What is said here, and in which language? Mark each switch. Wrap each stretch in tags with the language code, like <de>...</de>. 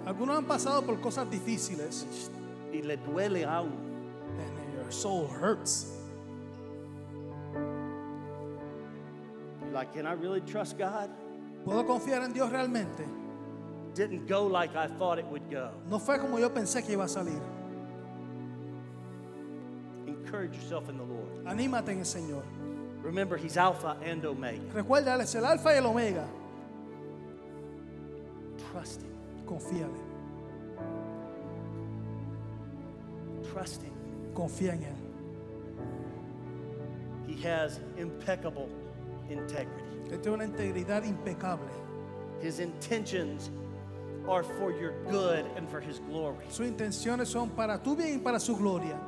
<es>Algunos han pasado por cosas difíciles. Y le duele aún.</es> <en>And your soul hurts. You're like, can I really trust God?</en> <es>¿Puedo confiar en Dios realmente?</es> <en>Didn't go like I thought it would go.</en> <es>No fue como yo pensé que iba a salir.</es> <en>Encourage yourself in the Lord.</en> <es>Anímate en el Señor.</es> <en>Remember, he's Alpha and Omega.</en> <es>Recuerda, él es el Alfa y el Omega.</es> <en>Trust him.</en> <es>Confíale.</es> <en>Trust him.</en> <es>Confía en él.</es> <en>He has impeccable integrity.</en> <es>Él tiene una integridad impecable.</es> <en>His intentions are for your good and for his glory.</en> <es>Sus intenciones son para tu bien y para su gloria.</es>